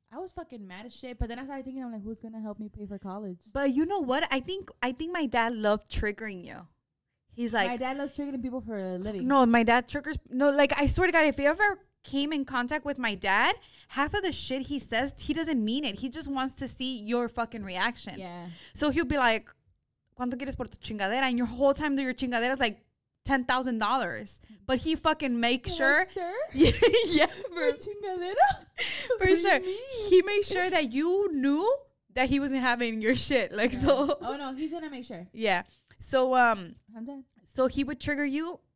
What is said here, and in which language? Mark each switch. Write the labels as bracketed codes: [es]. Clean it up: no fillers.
[en] I was fucking mad as shit. But then I started thinking, I'm like, who's going to help me pay for college? But you know what? I think my dad loved triggering you. He's like. My dad loves triggering people for a living. No, my dad triggers. No, like, I swear to God, if you ever came in contact with my dad, half of the shit he says, he doesn't mean it. He just wants to see your fucking reaction. Yeah. So he'll be like, [es] ¿cuánto quieres por tu chingadera? [en] And your whole time through your chingadera is like $10,000. But he fucking makes sure. Like, sir? Yeah. For chingadera? For sure. Mean? He makes sure that you knew that he wasn't having your shit. Like, yeah. So. Oh, no. He's going to make sure. Yeah. So, so he would trigger you.